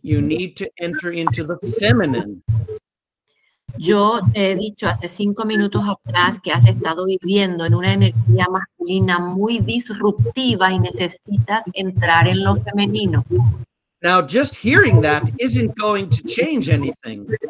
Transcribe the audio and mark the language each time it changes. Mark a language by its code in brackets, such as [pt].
[en] You need to enter into the feminine. [es] Yo te he dicho hace 5 minutos atrás que has estado viviendo en una energía masculina muy disruptiva y necesitas entrar en lo femenino. [en] Now, just hearing that isn't going to change anything.